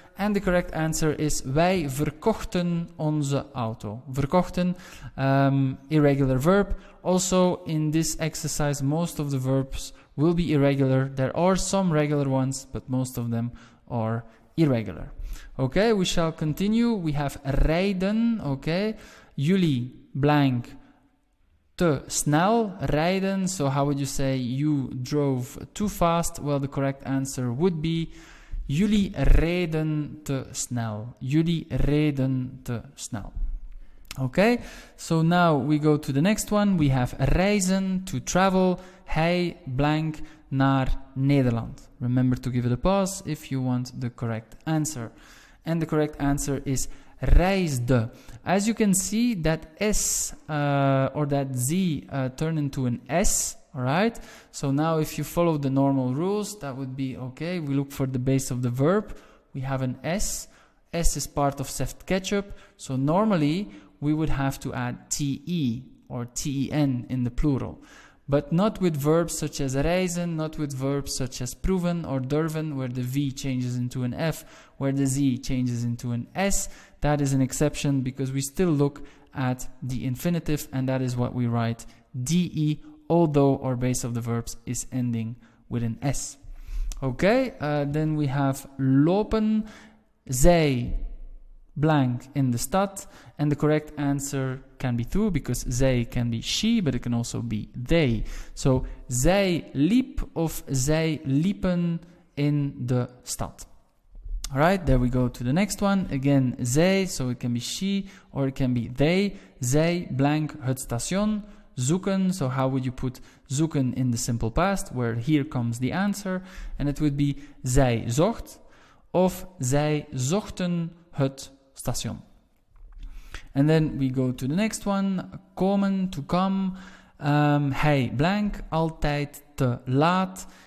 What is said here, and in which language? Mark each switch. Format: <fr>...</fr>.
<en>And the correct answer is</en> <nl>wij verkochten onze auto.</nl> <en>Verkochten, irregular verb. Also in this exercise, most of the verbs will be irregular. There are some regular ones, but most of them are irregular. Okay, we shall continue. We have rijden, okay.</en> <nl>Jullie blank te snel rijden.</nl> <en>So how would you say you drove too fast? Well, the correct answer would be</en> <nl>jullie reden te snel. Jullie reden te snel.</nl> <en>Okay, so now we go to the next one. We have reizen, to travel.</en> <nl>Hij blank naar Nederland.</nl> <en>Remember to give it a pause if you want the correct answer. And the correct answer is reisde. As you can see, that S or that Z turn into an S. Alright, so now if you follow the normal rules, that would be okay. We look for the base of the verb. We have an S. S is part of zeft ketchup. So normally we would have to add TE or TEN in the plural. But not with verbs such as reizen, not with verbs such as proeven or durven, where the V changes into an F, where the Z changes into an S. That is an exception because we still look at the infinitive, and that is what we write DE. Although our base of the verbs is ending with an S. Okay, then we have lopen, zij blank in the stad. And the correct answer can be two, because zij can be she, but it can also be they.</en> <nl>So zij liep of zij liepen in de stad.</nl> <en>Alright, there we go to the next one. Again, zij, so it can be she or it can be they.</en> <nl>Zij blank het station.</nl> <en>Zoeken, so how would you put zoeken in the simple past? Where here comes the answer. And it would be</en> <nl>zij zocht of zij zochten het station.</nl> <en>And then we go to the next one. Komen, to come.</en> <nl>Hij blank, altijd te laat.</nl>